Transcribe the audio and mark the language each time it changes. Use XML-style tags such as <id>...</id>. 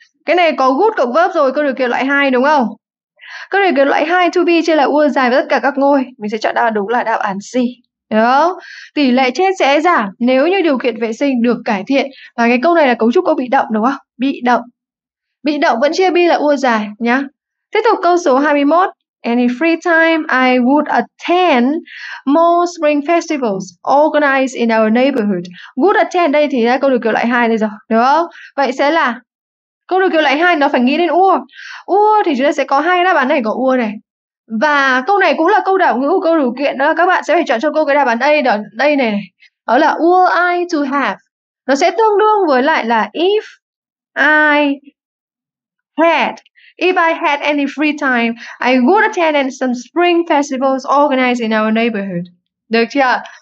<vi>Cái này có good cộng verb rồi, câu điều kiện loại 2 đúng không? Câu điều kiện loại 2 to be chia là ua dài với tất cả các ngôi. Mình sẽ chọn đáp đúng là đáp án C. Đúng không? Tỷ lệ chết sẽ giảm nếu như điều kiện vệ sinh được cải thiện. Và cái câu này là cấu trúc câu bị động đúng không? Bị động. Bị động vẫn chia be là ua dài nhá. Tiếp tục câu số 21.</vi> <en>Any free time, I would attend more spring festivals organized in our neighborhood.</en> <vi>Would attend đây thì là câu điều kiện loại 2 đây rồi, đúng không? Vậy sẽ là câu điều kiện loại 2, nó phải nghĩ đến ua. Ua thì chúng ta sẽ có hai đáp án này có ua này. Và câu này cũng là câu đảo ngữ câu điều kiện, đó là các bạn sẽ phải chọn cho cô cái đáp án A đó, đây này, này. Đó là</vi> <en>will I to have.</en> <vi>Nó sẽ tương đương với lại là</vi> <en>If I had any free time, I would attend some spring festivals organized in our neighborhood.</en> <vi>Được chưa?</vi>